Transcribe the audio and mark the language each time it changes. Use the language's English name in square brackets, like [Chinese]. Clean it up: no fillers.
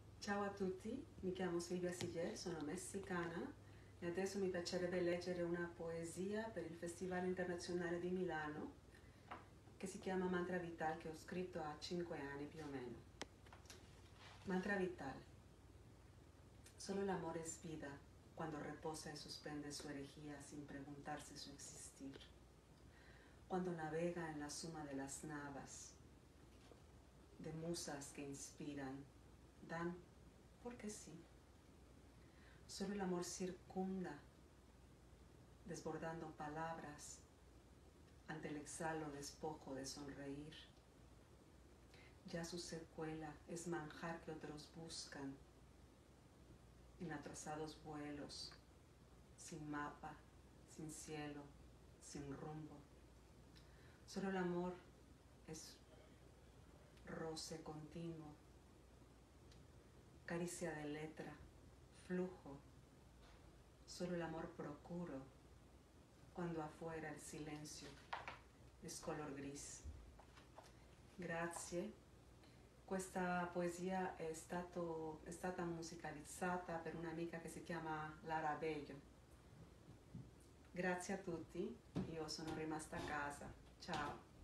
[Italian] Ciao a tutti, mi chiamo Silvia Siller, sono messicana e adesso mi piacerebbe leggere una poesia per il Festival Internazionale di Milano che si chiama Mantra Vital, che ho scritto a 5 anni più o meno. [Spanish] Mantra Vital. Solo el amor es vida cuando reposa y suspende su energía sin preguntarse su existir. Cuando navega en la suma de las navas, de musas que inspiran, dan porque sí. Solo el amor circunda, desbordando palabras, ante el exhalo despojo de sonreír. Ya su secuela es manjar que otros buscan, en atrasados vuelos, sin mapa, sin cielo, sin rumbo. Solo el amor es roce continuo, caricia de letra, flujo. Solo el amor procuro, cuando afuera el silencio es color gris. [Italian] Grazie. Questa poesia è stata musicalizzata per un'amica che si chiama Lara Bello. Grazie a tutti, io sono rimasta a casa. Ciao.